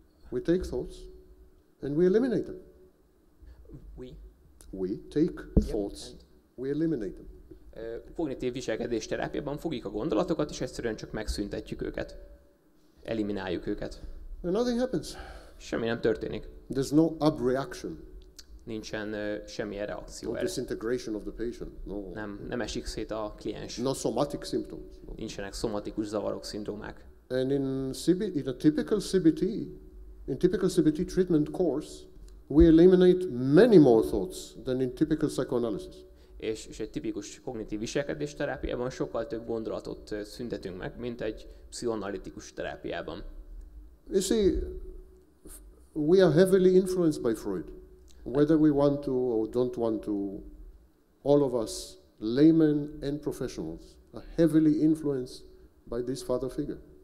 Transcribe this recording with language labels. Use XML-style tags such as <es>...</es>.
<en>We take thoughts, and we eliminate them. We take thoughts, we eliminate them.</en> <hu>Kognitív viselkedés terápiában fogjuk a gondolatokat, és egyszerűen csak megszüntetjük őket. elimináljuk őket.</hu> <en>Nothing happens.</en> <hu>Semmi nem történik.</hu> <en>There's no up reaction.</en> <hu>Nincsen semmi reakció.</hu> <en>No disintegration of the patient. No.</en> <hu>Nem esik szét a kliens.</hu> <en>No somatic symptoms. No.</en> <hu>Nincsenek szomatikus zavarok, szindrómák.</hu> <en>And in CBT, in typical CBT treatment course, we eliminate many more thoughts than in typical psychoanalysis.</en> <hu>És egy tipikus kognitív viselkedés terápiában sokkal több gondolatot szüntetünk meg, mint egy pszichoanalitikus terápiában. You see, we are heavily influenced by Freud. Whether we want to or don't want to, all of us, laymen and professionals, are heavily influenced by this father figure.</hu>